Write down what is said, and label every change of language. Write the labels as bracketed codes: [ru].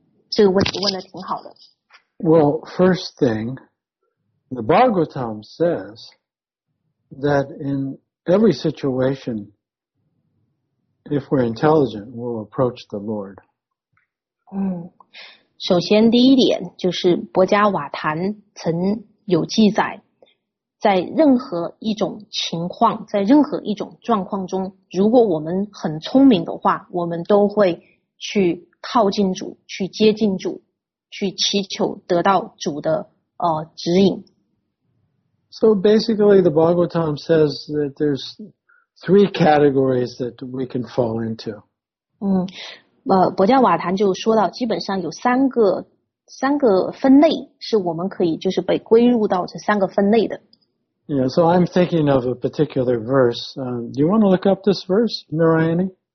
[zh] 这个问题问得挺好的。 [en] Well, first thing, the Bhagavatam says that in every situation,if we're intelligent, we'll approach the Lord. [zh] 首先第一点就是博迦瓦坛曾有记载，在任何一种情况，在任何一种状况中，如果我们很聪明的话，我们都会去靠近主，去接近主，去祈求得到主的指引。 [en] So basically, the Bhagavatam says that there's three categories that we can fall into. [zh] 博迦瓦坛就说到，基本上有三个分类是我们可以就是被归入到这三个分类的。 [en] Yeah, so I'm thinking of a particular verse. Do you want to look up this verse, Narayani?